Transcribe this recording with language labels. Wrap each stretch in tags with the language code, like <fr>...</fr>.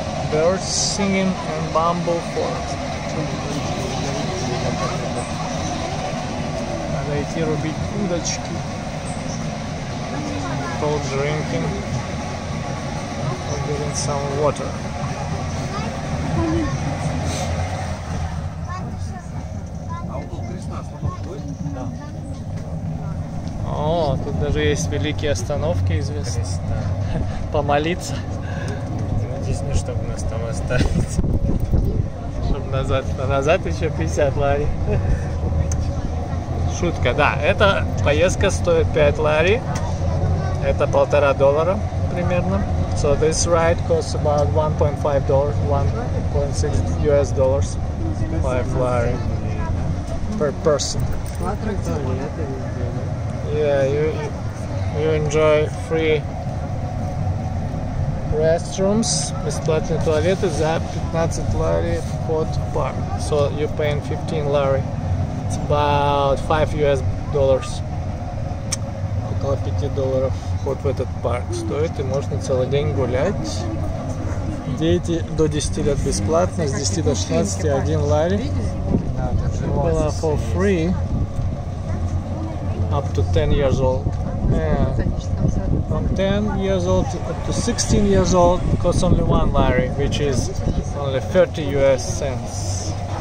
<en>Birds singing in bamboo forest.</en> <ru>Надо идти рубить удочки.</ru> <en>People drinking. We're getting some water.</en> <ru>О, тут даже есть великие остановки известные. Христа. Помолиться. Надеюсь, не чтобы нас там оставить. Чтобы назад. А назад еще 50 лари. Шутка, да. Эта поездка стоит 5 лари. Это $1.5 примерно.</ru> <en>So this ride costs about $1.5, $1.6 5 лари. Per person. Yeah, you enjoy free restrooms, бесплатные туалеты за 15 лари вход в парк. So you paying 15 лари. It's about $5.</en> <ru>Около $5 вход в этот парк стоит, и можно целый день гулять. Дети до 10 лет бесплатно, с 10 до 16 1 лари. Было</ru> <en>for free. Up to 10 years old. Yeah. From 10 years old up to 16 years old costs only 1 lari, which is only 30 US cents.</en>